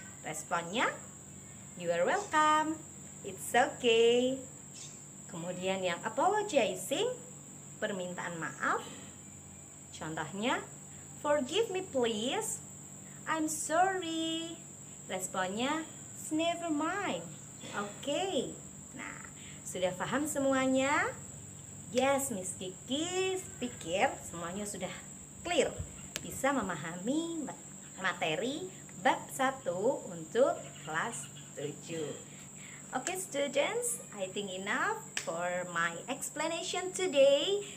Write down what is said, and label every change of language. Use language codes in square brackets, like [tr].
[en] Responnya, you are welcome, it's okay. [id] Kemudian yang apologizing, permintaan maaf. [en] Contohnya, forgive me please, I'm sorry. Responnya, never mind. Okay. [id] Nah, sudah paham semuanya? Yes, Miss Kiki, pikir semuanya sudah clear. Bisa memahami materi bab 1 untuk kelas 7. [en] Okay, students, I think enough for my explanation today.